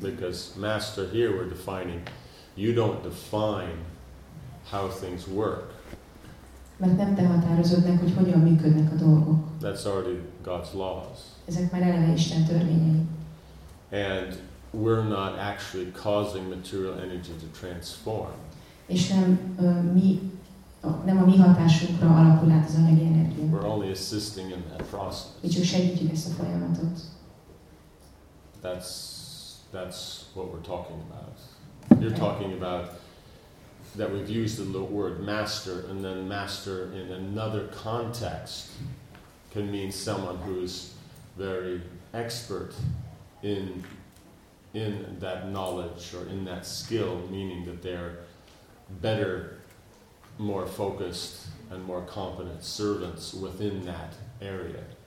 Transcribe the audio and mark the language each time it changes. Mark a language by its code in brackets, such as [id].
[en] Because master here we're defining, you don't define how things work. [hu] Mert nem te határozod meg, hogy hogyan működnek a dolgok. [en] That's already God's laws. [hu] Ezek már eleve Isten törvényei. [en] And we're not actually causing material energy to transform. [hu] És nem nem a mi hatásunkra alakul át az anyagi energia. [en] We're only assisting in that process. [hu] Mi csak segítjük ezt a folyamatot. [en] That's what we're talking about. You're talking about that we've used the word master, and then master in another context can mean someone who's very expert in that knowledge or in that skill, meaning that they're better, more focused and more competent servants within that area.